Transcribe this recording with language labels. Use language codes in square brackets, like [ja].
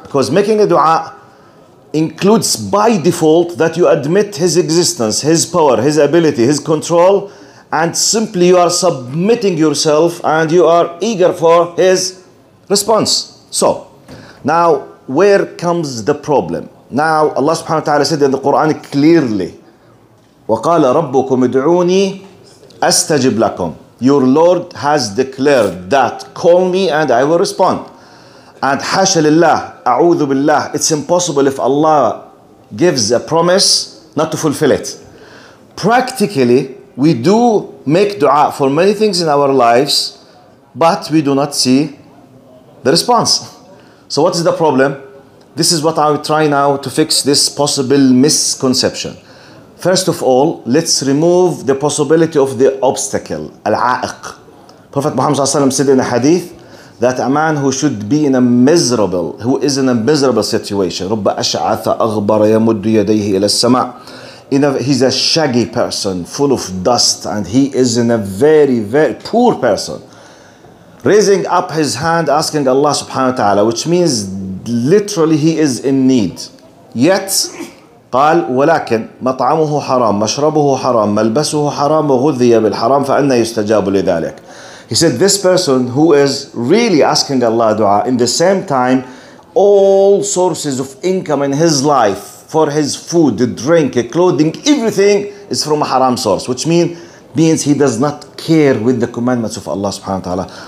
[en] Because making a dua includes by default that you admit His existence, His power, His ability, His control, and simply you are submitting yourself and you are eager for His response. So, now, where comes the problem? Now, Allah subhanahu wa ta'ala said in the Quran clearly, [ar] وَقَالَ رَبُّكُمْ ادْعُونِي أَسْتَجِبْ لَكُمْ. [en] Your Lord has declared that, call me and I will respond. [ar] And حَشَ لِلَّهِ أَعُوذُ بِاللَّهِ. [en] It's impossible if Allah gives a promise not to fulfill it. Practically, we do make dua for many things in our lives, but we do not see the response. So what is the problem? This is what I will try now to fix this possible misconception. First of all, let's remove the possibility of the obstacle, al-a'iq. Prophet Muhammad sallallahu alaihi wasallam said in a hadith that a man who should be in a miserable, who is in a miserable situation, [ar] رُبَّ أَشْعَثَ أَغْبَرَ يَمُدُّ يَدَيْهِ إِلَى السَّمَاءِ. [en] He's a shaggy person, full of dust, and he is in a very, very poor person. Raising up his hand, asking Allah subhanahu wa ta'ala, which means literally he is in need. [ar] Yet, قال ولكن مطعمه حرام مشربه حرام ملبسه حرام وغذي بالحرام فأنا يستجاب لذلك. [en] He said this person who is really asking Allah dua, in the same time all sources of income in his life for his food, drink, clothing, everything is from a haram source, which means he does not care with the commandments of Allah subhanahu wa ta'ala.